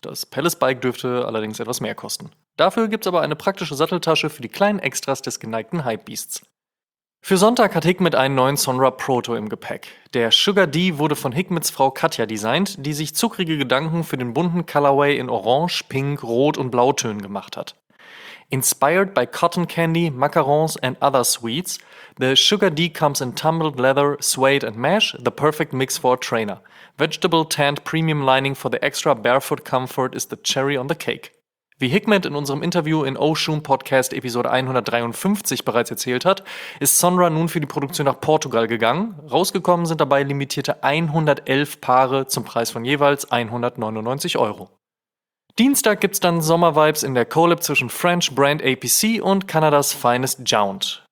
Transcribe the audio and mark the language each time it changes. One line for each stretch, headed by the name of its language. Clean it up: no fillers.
German: Das Palace Bike dürfte allerdings etwas mehr kosten. Dafür gibt's aber eine praktische Satteltasche für die kleinen Extras des geneigten Hypebeasts. Für Sonntag hat Hikmet einen neuen Sonra Proto im Gepäck. Der Sugar D wurde von Hikmets Frau Katja designt, die sich zuckrige Gedanken für den bunten Colorway in Orange, Pink, Rot und Blautönen gemacht hat.
English: Inspired by cotton candy, macarons and other sweets, the Sugar D comes in tumbled leather, suede and mesh, the perfect mix for a trainer. Vegetable tanned premium lining for the extra barefoot comfort is the cherry on the cake.
German: Wie Hikmet in unserem Interview in O-Shoom Podcast Episode 153 bereits erzählt hat, ist Sonra nun für die Produktion nach Portugal gegangen. Rausgekommen sind dabei limitierte 111 Paare zum Preis von jeweils 199 Euro. Dienstag gibt's dann Sommervibes in der Collab zwischen French Brand APC und Kanadas Finest Jount.